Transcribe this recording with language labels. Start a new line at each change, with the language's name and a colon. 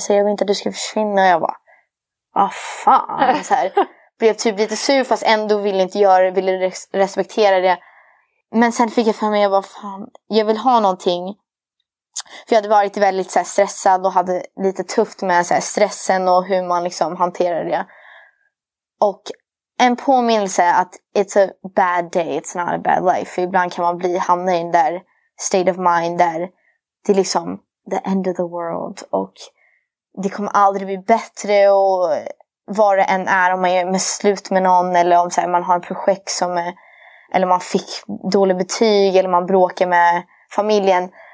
Swedish: Så jag vill inte att du ska försvinna. Och jag bara, vad fan. Så här. Blev typ lite sur fast ändå ville inte göra det, ville respektera det. Men sen fick jag för mig, jag bara, fan, jag vill ha någonting. För jag hade varit väldigt så här, stressad och hade lite tufft med så här, stressen och hur man liksom hanterar det. Och en påminnelse att
English: it's a bad day, it's not a bad life.
Swedish: För ibland kan man bli hamna i en där state of mind där det är liksom
English: the end of the world.
Swedish: Och det kommer aldrig bli bättre och... Vad det än är, om man är med slut med någon eller om så här, man har en projekt som är, eller man fick dålig betyg eller man bråkar med familjen.